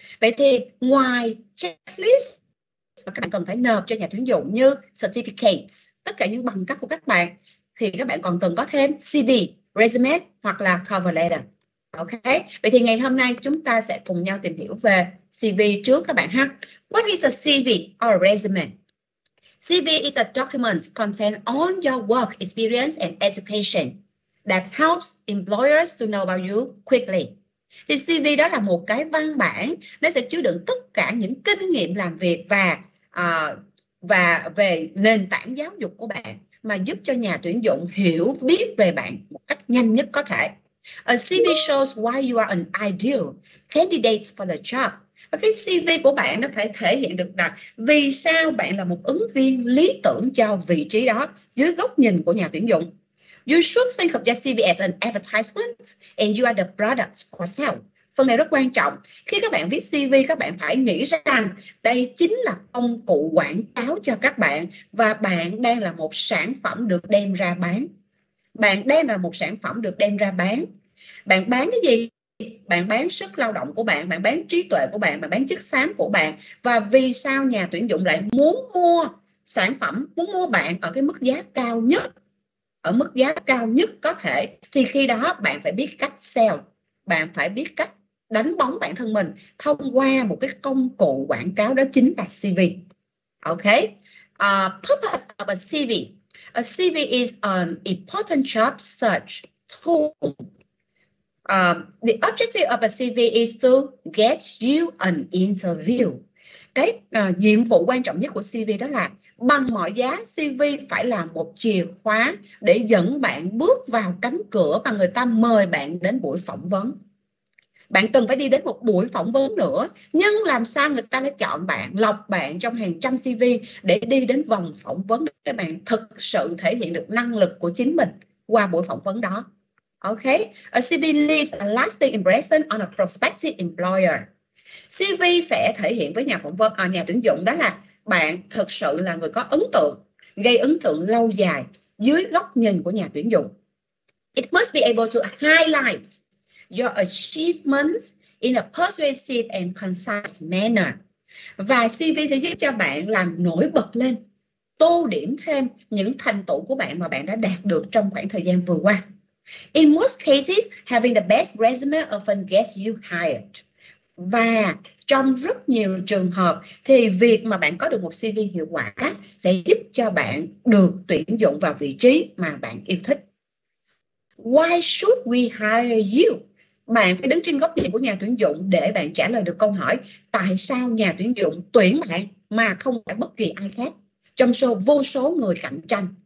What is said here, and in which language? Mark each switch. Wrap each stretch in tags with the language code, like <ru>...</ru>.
<vi>Vậy thì ngoài checklist mà các bạn cần phải nộp cho nhà tuyển dụng như certificates, tất cả những bằng cấp của các bạn, thì các bạn còn cần có thêm CV, resume hoặc là cover letter. Ok, vậy thì ngày hôm nay chúng ta sẽ cùng nhau tìm hiểu về CV trước các bạn ha.</vi> <en>What is a CV or resume? CV is a document containing all your work experience and education that helps employers to know about you quickly.</en> <vi>Thì CV đó là một cái văn bản, nó sẽ chứa đựng tất cả những kinh nghiệm làm việc và về nền tảng giáo dục của bạn mà giúp cho nhà tuyển dụng hiểu biết về bạn một cách nhanh nhất có thể.</vi> <en>A CV shows why you are an ideal candidate for the job.</en> <vi>Và cái CV của bạn nó phải thể hiện được là vì sao bạn là một ứng viên lý tưởng cho vị trí đó dưới góc nhìn của nhà tuyển dụng.</vi> <en>You should think of your CV as an advertisement and you are the product for sale.</en> <vi>Phần này rất quan trọng. Khi các bạn viết CV, các bạn phải nghĩ rằng đây chính là công cụ quảng cáo cho các bạn và bạn đang là một sản phẩm được đem ra bán. Bạn đang là một sản phẩm được đem ra bán. Bạn bán cái gì? Bạn bán sức lao động của bạn, bạn bán trí tuệ của bạn, bạn bán chất xám của bạn. Và vì sao nhà tuyển dụng lại muốn mua sản phẩm, muốn mua bạn ở cái mức giá cao nhất, ở mức giá cao nhất có thể? Thì khi đó bạn phải biết cách sell, bạn phải biết cách đánh bóng bản thân mình thông qua một cái công cụ quảng cáo, đó chính là CV.</vi> <en>Ok, purpose of a CV. A CV is an important job search tool. The objective of a CV is to get you an interview.</en> <vi>Cái nhiệm vụ quan trọng nhất của CV đó là bằng mọi giá CV phải là một chìa khóa để dẫn bạn bước vào cánh cửa mà người ta mời bạn đến buổi phỏng vấn. Bạn cần phải đi đến một buổi phỏng vấn nữa, nhưng làm sao người ta lại chọn bạn, lọc bạn trong hàng trăm CV để đi đến vòng phỏng vấn để bạn thực sự thể hiện được năng lực của chính mình qua buổi phỏng vấn đó.</vi> <en>Ok, a CV leaves a lasting impression on a prospective employer.</en> <vi>CV sẽ thể hiện với nhà phỏng vấn, nhà tuyển dụng đó là bạn thực sự là người có ấn tượng, gây ấn tượng lâu dài dưới góc nhìn của nhà tuyển dụng.</vi> <en>It must be able to highlight your achievements in a persuasive and concise manner.</en> <vi>Và CV sẽ giúp cho bạn làm nổi bật lên, tô điểm thêm những thành tựu của bạn mà bạn đã đạt được trong khoảng thời gian vừa qua.</vi> <en>In most cases, having the best resume often gets you hired.</en> <vi>Và trong rất nhiều trường hợp thì việc mà bạn có được một CV hiệu quả sẽ giúp cho bạn được tuyển dụng vào vị trí mà bạn yêu thích.</vi> <en>Why should we hire you?</en> <vi>Bạn phải đứng trên góc nhìn của nhà tuyển dụng để bạn trả lời được câu hỏi tại sao nhà tuyển dụng tuyển bạn mà không phải bất kỳ ai khác trong số vô số người cạnh tranh.</vi>